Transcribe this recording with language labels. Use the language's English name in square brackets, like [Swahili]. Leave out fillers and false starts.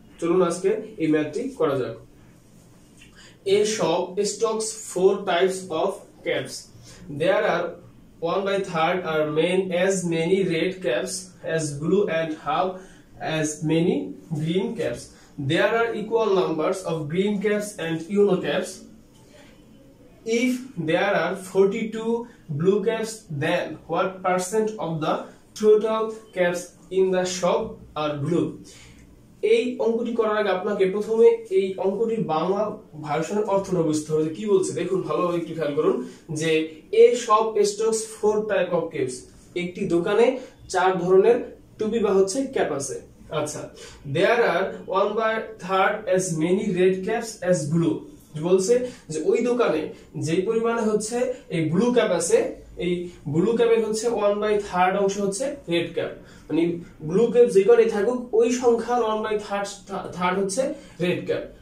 [Bangla] চলুন আজকে এই ম্যাথটি করা যাক। [English] A shop stocks four types of caps, there are 1/3 are men as many red caps as blue and half as many green caps. There are equal numbers of green caps and yellow caps. If there are 42 blue caps, then what percent of the total caps in the shop are blue? [Bangla] এই অঙ্কটি করার আগে আপনাকে প্রথমে এই অঙ্কটির বাংলা ভার্সনের অর্থটা বুঝতে হবে যে কি বলছে। দেখুন ভালোভাবে একটু খেয়াল করুন যে [English] a shop stocks four type of caps, [Bangla] একটি দোকানে চার ধরনের টুপি বা হচ্ছে ক্যাপ আছে। আচ্ছা, [English] there are 1/3 as many red caps as blue, [Bangla] বলছে যে ওই দোকানে যে পরিমাণে হচ্ছে এই ব্লু ক্যাপ আছে, এই ব্লু ক্যাপের হচ্ছে 1/3 অংশ হচ্ছে রেড ক্যাপ, মানে ব্লু ক্যাপ যে কোনো থাকুক ওই সংখ্যার 1/3 হচ্ছে রেড ক্যাপ।